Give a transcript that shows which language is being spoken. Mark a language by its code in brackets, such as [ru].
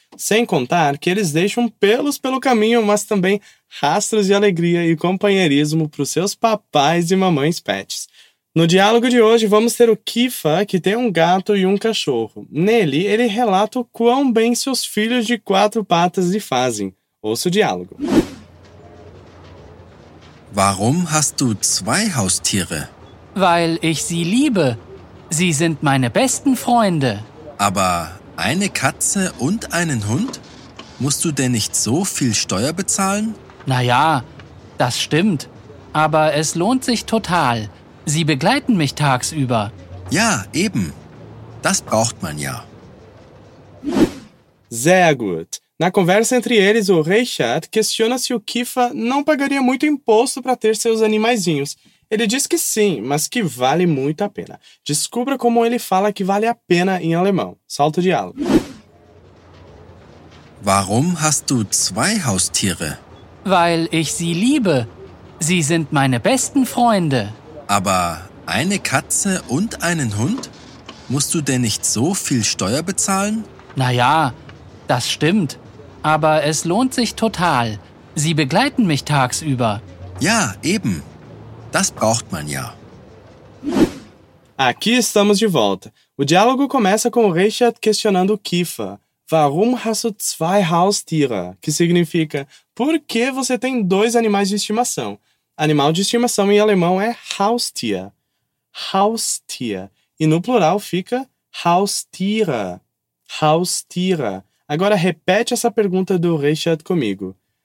[pt] Sem contar que eles deixam pelos pelo caminho, mas também rastros de alegria e companheirismo para os seus papais e mamães pets. No diálogo de hoje, vamos ter o Kifa, que tem um gato e um cachorro. Nele, ele relata o quão bem seus filhos de quatro patas lhe fazem. Ouça o diálogo. [de] Warum hast du zwei Haustiere? Weil ich sie liebe. Sie sind meine besten Freunde. Aber eine Katze und einen Hund? Musst du denn nicht so viel Steuer bezahlen? Naja, das stimmt. Aber es lohnt sich total. Sie begleiten mich tagsüber. Ja, eben. Das braucht man ja. Sehr gut. [pt] Na conversa entre eles, o Richard questiona se o Kifa não pagaria muito imposto para ter seus animaizinhos. Ele diz que sim, mas que vale muito a pena. Descubra como ele fala que vale a pena em alemão. Solta o diálogo. [de] Warum hast du zwei Haustiere? Weil ich sie liebe. Sie sind meine besten Freunde. Aber eine Katze und einen Hund? Musst du denn nicht so viel Steuer bezahlen? Naja, das stimmt. Aber es lohnt sich total. Sie begleiten mich tagsüber. Ja, eben. Das braucht man ja. [pt] Aqui estamos de volta. O diálogo começa com o Richard questionando o Kifa. [de] Warum hast du zwei Haustiere? [pt] Que significa, por que você tem dois animais de estimação? Animal de estimação em alemão é Haustier. Haustier. E no plural fica Haustiere. Haustiere. Agora repete essa pergunta do Richard comigo.